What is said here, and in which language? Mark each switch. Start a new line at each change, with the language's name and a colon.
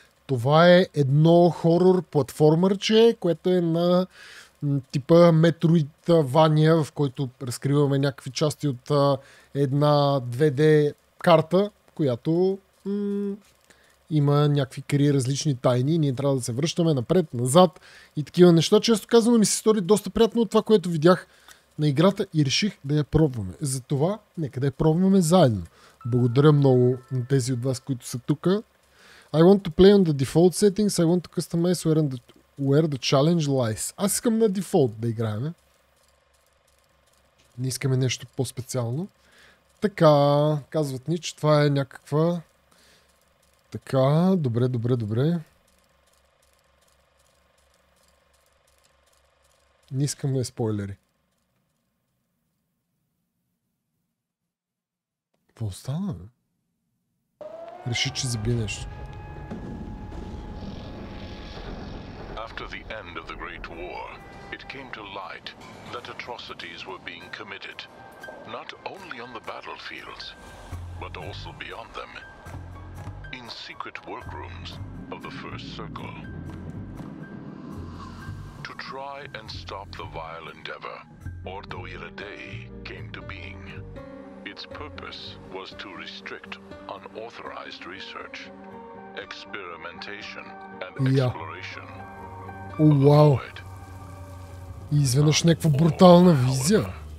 Bulgarian: Това е едно хорор платформърче, което е на типа Metroidvania, в който разкриваме някакви части от една 2D карта, която има някакви кри различни тайни. Ние трябва да се връщаме напред, назад и такива неща. Често казано ми се стори доста приятно от това, което видях на играта и реших да я пробваме. Затова нека да я пробваме заедно. Благодаря много на тези от вас, които са тука.
English: I want to play on the default settings. I want to customize where the challenge lies.
Bulgarian: Аз искам на дефолт да играем. Не искаме нещо по-специално. Така, казват ни, че това е някаква... Така, добре. Не искаме спойлери. Какво остана? Реши, че заби нещо.
English: After the end of the Great War, it came to light that atrocities were being committed, not only on the battlefields, but also beyond them, in secret workrooms of the First Circle. To try and stop the vile endeavor, Ordo Iredei came to being. Its purpose was to restrict unauthorized research, experimentation and exploration.
Bulgarian: Уау! И изведнъж някаква брутална визия.